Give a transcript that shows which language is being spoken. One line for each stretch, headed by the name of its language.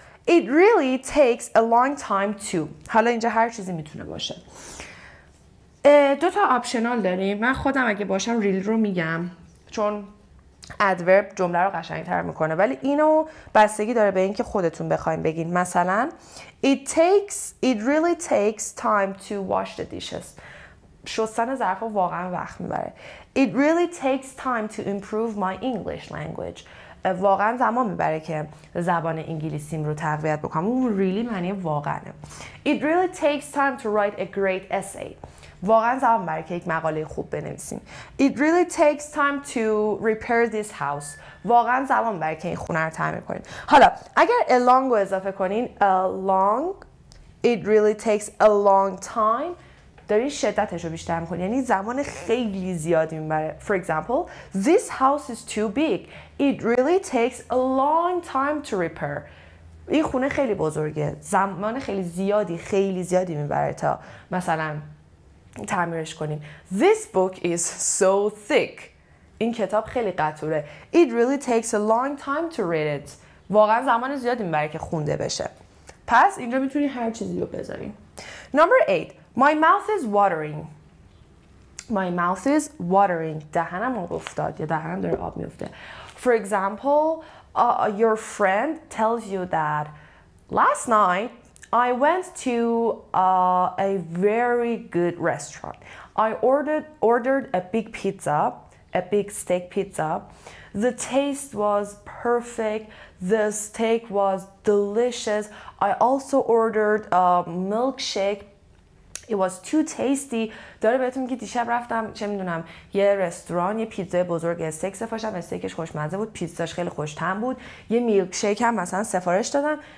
English: It really takes a long time too.
Persian: حالا اینجا هر چیزی میتونه باشه. دوتا آپشنال داریم. من خودم اگه باشم really رو میگم. چون ادورب جمله رو قشنگ‌تر میکنه، ولی اینو بستگی داره به اینکه خودتون بخواید بگین. مثلا
English: it really takes time to wash the dishes.
Persian: شستن ظرف واقعا وقت میبره.
English: It really takes time to improve my English language.
Persian: واقعا زمان میبره که زبان انگلیسیم رو تقویت بکنم. اون really معنی واقعه.
English: It really takes time to write a great essay.
Persian: واقعا زمان میبره که یک مقاله خوب بنویسیم.
English: It really takes time to repair this house.
Persian: واقعا زمان میبره که این خونه رو تعمیر کنیم. حالا اگر
English: a long رو اضافه کنین a long it really takes a long time
Persian: دارین شدتش رو بیشتر میکنین. یعنی زمان خیلی زیادی میبره.
English: For example this house is too big. It really takes a long time to repair.
Persian: این خونه خیلی بزرگه. زمان خیلی زیادی خیلی زیادی میبره تا مثلا تعمیرش کنیم.
English: This book is so thick.
Persian: این کتاب خیلی قطوره.
English: It really takes a long time to read it.
Persian: واقعا زمان زیادی میبره که خونده بشه. پس اینجا میتونی هر چیزی رو بذاری.
English: Number 8. My mouth is watering. My mouth is watering.
Persian: دهنم آب افتاد یا دهنم داره آب میفته.
English: For example, your friend tells you that last night I went to a very good restaurant. I ordered a big pizza, a big steak pizza. The taste was perfect. The steak was delicious. I also ordered a milkshake. It was too tasty.
Persian: داره بهتون میگه دیشب رفتم چه میدونم یه رستوران، یه پیتزای بزرگ استیک سفارش دادم، استیکش خوشمزه بود، پیتزاش خیلی خوشتم بود، یه میلک شیک هم مثلا سفارش دادم.